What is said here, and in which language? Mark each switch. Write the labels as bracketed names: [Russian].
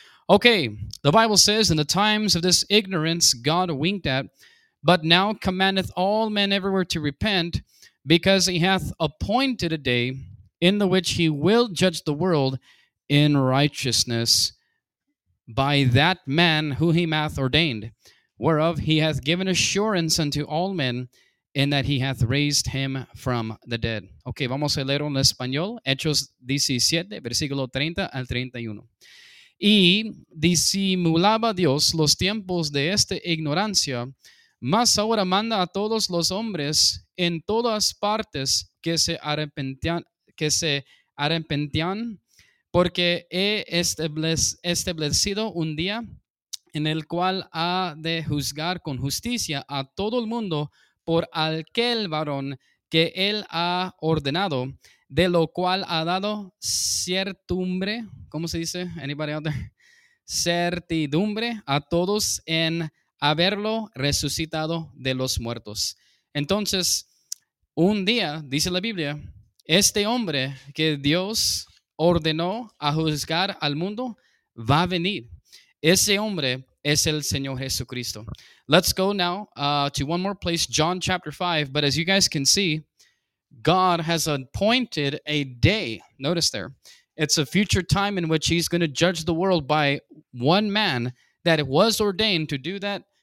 [English] Okay, the Bible says, in the times of this ignorance God winked at, but now commandeth all men everywhere to repent, because He hath appointed a day in the which He will judge the world in righteousness by that man who He hath ordained, whereof He hath given assurance unto all men in that He hath raised Him from the dead. [Spanish] Okay, vamos a leer en español, Hechos 17, versículo 30 al 31. Y disimulaba Dios los tiempos de esta ignorancia, mas ahora manda a todos los hombres en todas partes que se arrepentían, porque he establecido un día en el cual ha de juzgar con justicia a todo el mundo por aquel varón que Él ha ordenado, de lo cual ha dado certidumbre, ¿cómo se dice? [English] Anybody out there? [Spanish] Certidumbre a todos en haberlo resucitado de los muertos. Entonces, un día, dice la Biblia, este hombre que Dios ordenó a juzgar al mundo va a venir. Ese hombre es el Señor Jesucristo. [English] Let's go now to one more place, John chapter 5. But as you guys can see, God has appointed a day. Notice there. It's a future time in which he's going to judge the world by one man that was ordained to do that.